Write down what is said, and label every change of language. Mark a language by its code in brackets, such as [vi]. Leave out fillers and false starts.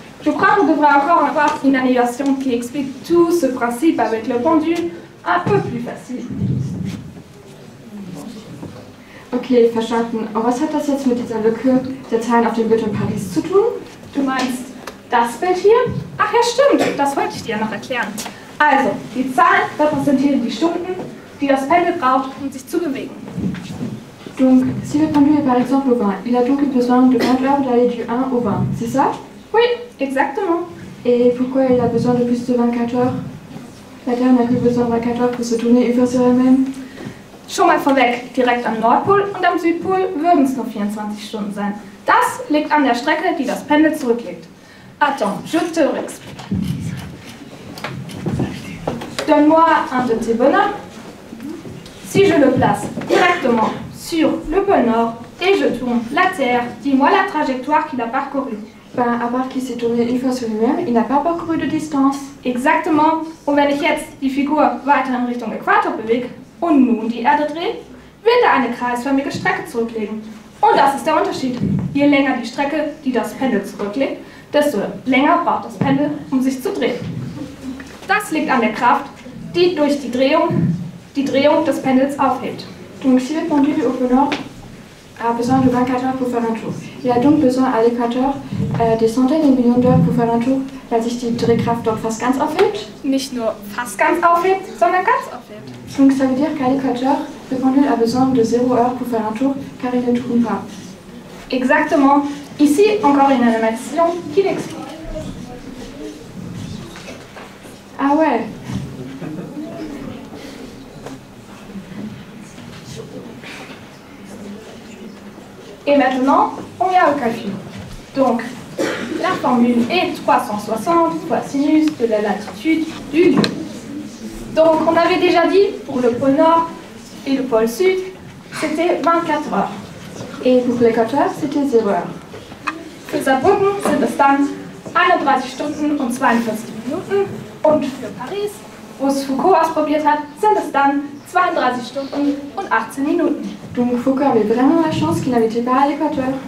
[fr] Je crois qu'on devrait encore avoir une animation qui explique tout ce principe avec le pendule un peu plus facile. [de] Ok, verstanden. Und was hat das jetzt mit dieser Lücke der Zahlen auf dem Bild in Paris zu tun? Du meinst das Bild hier? Ach ja, stimmt. Das wollte ich dir noch erklären. Also, die Zahlen repräsentieren die Stunden, die das Pendel braucht, um sich zu bewegen. [fr] Donc, si le pendule par exemple au 20, il a donc besoin de 20 heures d'aller du 1 au 20, c'est ça? Oui, exactement. Et pourquoi il a besoin de plus de 24 heures? La Terre n'a plus besoin de 24 heures pour se tourner et faire sur elle-même? [de] Schon mal vorweg, direkt am Nordpol und am Südpol würden es nur 24 Stunden sein. Das liegt an der Strecke, die das Pendel zurücklegt. [fr] Attends, je te réexplique. Donne-moi un de tes bonhommes. Si je le place directement sur le pôle nord et je tourne la Terre, dis-moi la trajectoire qu'il a parcourue. Ben, à part qu'il s'est tourné une fois sur lui-même, il n'a pas parcouru de distance. Exactement. [de] Und wenn ich jetzt die Figur weiter in Richtung Äquator bewege und nun die Erde drehe, wird er eine kreisförmige Strecke zurücklegen. Und das ist der Unterschied. Je länger die Strecke, die das Pendel zurücklegt, desto länger braucht das Pendel, um sich zu drehen. Das liegt an der Kraft, die durch die Drehung des Pendels aufhebt. [fr] Donc si le pendule au pôle nord a besoin de 24 heures pour faire un tour, il a donc besoin à l'équateur des centaines de millions d'heures pour faire un tour, [de] weil sich die Drehkraft dort fast ganz aufhebt? Nicht nur fast ganz aufhebt, sondern ganz aufhebt. [fr] Donc ça veut dire qu'à l'équateur, le pendule a besoin de 0 heures pour faire un tour, car il ne tourne pas. Exactement. Ici, encore une animation qui l'explique. Ah ouais. Et maintenant, on vient au calcul. Donc, la formule est 360 fois sinus de la latitude du lieu. Donc, on avait déjà dit, pour le pôle nord et le pôle sud, c'était 24 heures. Et pour l'équateur, c'était 0 heures. [de] Für Saarbrücken sind es dann 31 Stunden und 42 Minuten. Und für Paris, wo es Foucault ausprobiert hat, sind es dann 32 Stunden und 18 Minuten. [fr] Donc Foucault avait vraiment la chance qu'il n'habitait pas à l'équateur.